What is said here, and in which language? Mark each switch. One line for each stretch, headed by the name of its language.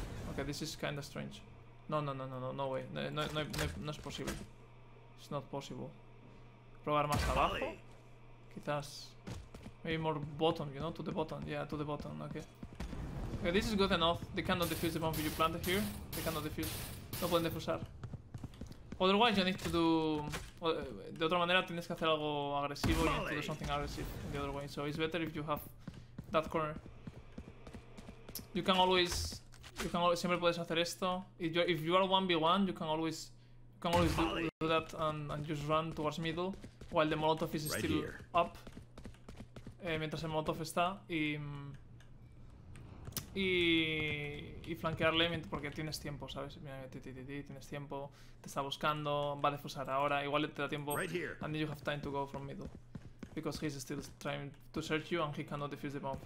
English: Okay, this is kinda strange. No way.
Spanish: No es posible.
English: It's not possible.
Spanish: Probar más abajo. Quizás...
English: Maybe more bottom, you know? To the bottom, yeah, to the bottom, okay. Okay, this is good enough. They cannot defuse the bomb you planted here. They cannot defuse.
Spanish: No pueden defusar.
English: Otherwise, you need to do...
Spanish: De otra manera, tienes que hacer algo agresivo.
English: You need to do something aggressive in the other way. So it's better if you have that corner. You can always... You can always...
Spanish: Siempre puedes hacer esto.
English: If you are 1v1, you can always do that and just run towards middle while the Molotov is right still here.
Spanish: Up. Mientras el Molotov está y... Y flanquearle porque tienes tiempo, ¿sabes? Mira, tienes tiempo, te está buscando, va a defusar ahora, igual te da tiempo.
English: And then you have time to go from middle. Because he's still trying to search you and he cannot defuse the bomb.